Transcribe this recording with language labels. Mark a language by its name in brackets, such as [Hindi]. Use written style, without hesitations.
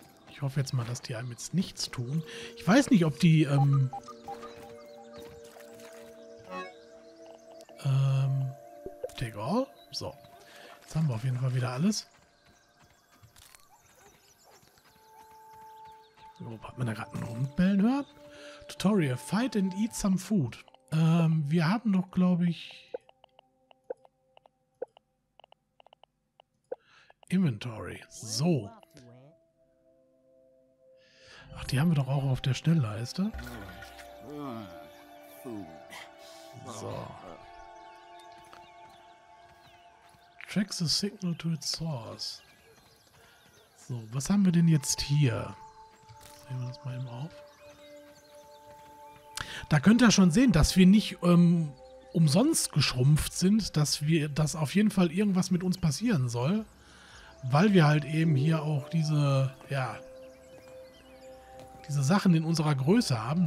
[German] Ich hoffe jetzt mal, dass die einem jetzt nichts tun. Ich weiß nicht, ob die, [English] take all? [German] So. Jetzt haben wir auf jeden Fall wieder alles. Hat man da gerade einen Hund bellen hört? [English] Tutorial, fight and eat some food. [German] Wir haben noch, glaube ich, Inventory. So. Ach, die haben wir doch auch auf der Schnellleiste. So. [English] Tracks the signal to its source. [German] So, was haben wir denn jetzt hier? Nehmen wir das mal eben auf. Da könnt ihr schon sehen, dass wir nicht umsonst geschrumpft sind, dass wir, dass auf jeden Fall irgendwas mit uns passieren soll, weil wir halt eben hier auch diese, ja, diese Sachen in unserer Größe haben.